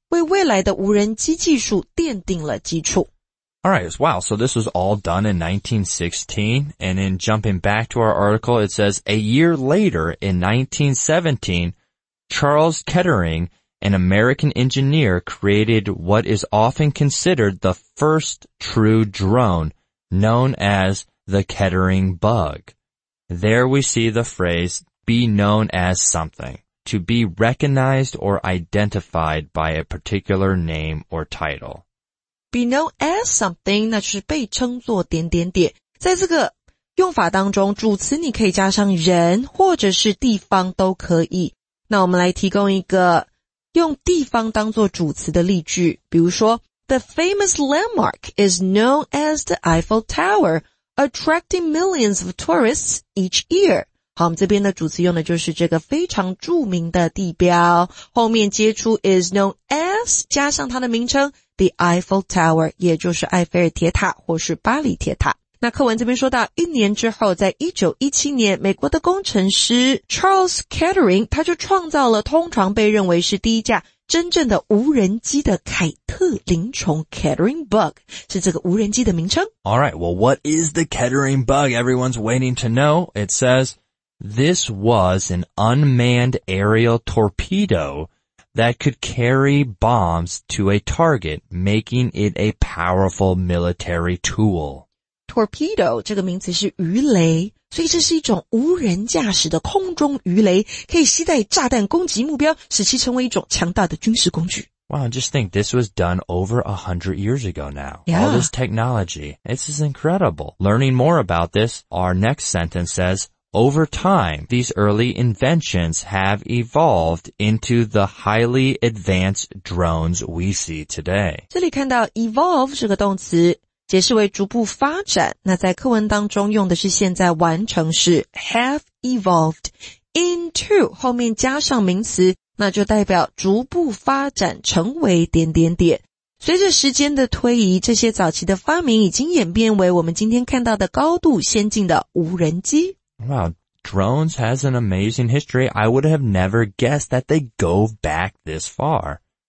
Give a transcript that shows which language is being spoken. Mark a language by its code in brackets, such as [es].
[zh] 为未来的无人机技术奠定了基础。 [en] Alright, wow, so this was all done in 1916, and in jumping back to our article, it says, a year later, in 1917, Charles Kettering, an American engineer, created what is often considered the first true drone, known as the Kettering Bug. There we see the phrase, be known as something. To be recognized or identified by a particular name or title. Be known as something, [zh] 那就是被称作点点点。在这个用法当中，主词你可以加上人或者是地方都可以。那我们来提供一个用地方当作主词的例句。比如说 [en] ,The famous landmark is known as the Eiffel Tower, attracting millions of tourists each year. [zh] 好我们这边的主词用的就是这个非常著名的地标后面接出 [en] is known as [zh] 加上它的名称 The Eiffel Tower 也就是埃菲尔铁塔或是巴黎铁塔那课文这边说到一年之后在1917年美国的工程师 Charles Kettering 他就创造了通常被认为是第一架真正的无人机的凯特林虫 Kettering Bug 是这个无人机的名称 [en] Alright, well what is the Kettering Bug? Everyone's waiting to know It saysThis was an unmanned aerial torpedo that could carry bombs to a target, making it a powerful military tool. [zh] Torpedo 这个名词是鱼雷，所以这是一种无人驾驶的空中鱼雷，可以携带炸弹攻击目标，使其成为一种强大的军事工具。 [en] Wow, just think, this was done over 100 years ago now. Yeah. All this technology, this is incredible. Learning more about this, our next sentence says,Over time, these early inventions have evolved into the highly advanced drones we see today. [zh] 这里看到 evolve 这个动词解释为逐步发展。那在课文当中用的是现在完成式 [en] have evolved into [zh] 后面加上名词，那就代表逐步发展成为点点点。随着时间的推移，这些早期的发明已经演变为我们今天看到的高度先进的无人机。 [en] Wow, drones has an amazing history. I would have never guessed that they go back this far.